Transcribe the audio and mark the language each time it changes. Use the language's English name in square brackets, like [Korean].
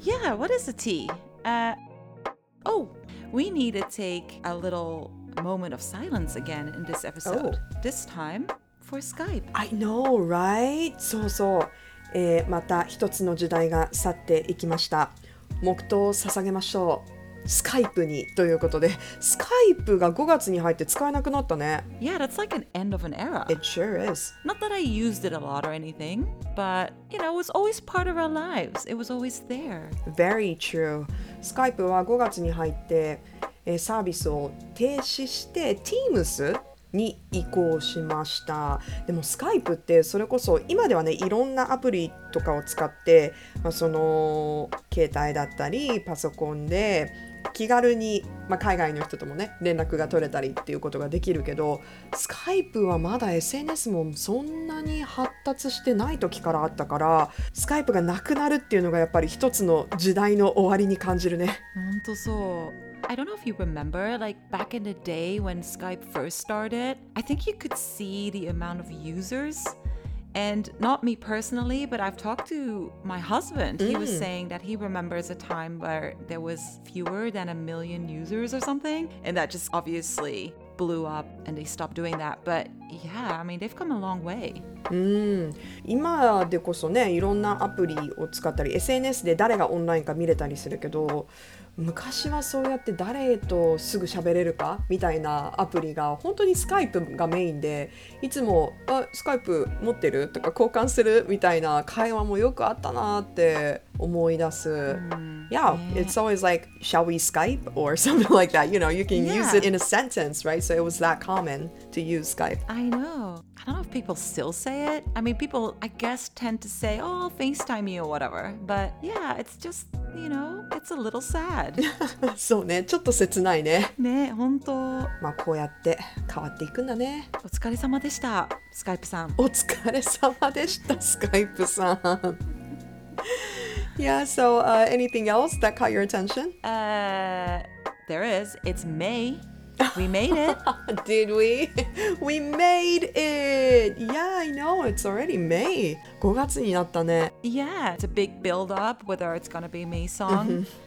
[English] Yeah, what is the tea? Oh, we need to take a little moment of silence again in this episode. Oh. This time for Skype. I know, right? [Japanese] そうそう、また一つの時代が去っていきました。黙祷を捧げましょう。スカイプにということで、スカイプが5月に入って使えなくなったね。 [English] Yeah, that's like an end of an era. It sure is. Not that I used it a lot or anything, but you know, it was always part of our lives. It was always there. Very true. [Japanese] スカイプは5月に入って、サービスを停止して Teams に移行しました。でもスカイプってそれこそ今ではねいろんなアプリとかを使って、まあ、その携帯だったりパソコンで気軽に、まあ、海外の人ともね連絡が取れたりっていうことができるけど、スカイプはまだ SNS もそんなに発達してない時からあったから、スカイプがなくなるっていうのがやっぱり一つの時代の終わりに感じるね。本当そう。 [English] I don't know if you remember, like back in the day when Skype first started, I think you could see the amount of users. And not me personally, but I've talked to my husband. He was saying that he remembers a time where there was fewer than a million users or something. And that just obviously blew up and they stopped doing that. But yeah, I mean, they've come a long way. [Japanese] 今でこそね、いろんなアプリを使ったり、SNS で誰がオンラインか見れたりするけど、昔はそうやって誰とすぐ喋れるかみたいなアプリが本当にスカイプがメインで、いつもあスカイプ持ってるとか交換するみたいな会話もよくあったなって思い出す。 [English] Yeah, it's always like shall we Skype or something like that, you know, you can use it in a sentence, right? So it was that common to use Skype. I know, I don't know if people still say it. I mean, people I guess tend to say, oh, I'll FaceTime you or whatever, but yeah, it's justYou know, it's a little sad. [Japanese] そうね、ちょっと切ないね。ね、本当。まあこうやって変わっていくんだね。お疲れ様でした、スカイプさん。お疲れ様でした、スカイプさん。 [English] Yeah, so anything else that caught your attention? There is. It's May. We made it. Did we? We made it. Yeah, I know. It's already May. [Japanese] 5月になったね。 [English] Yeah, it's a big build up whether it's going to be May song.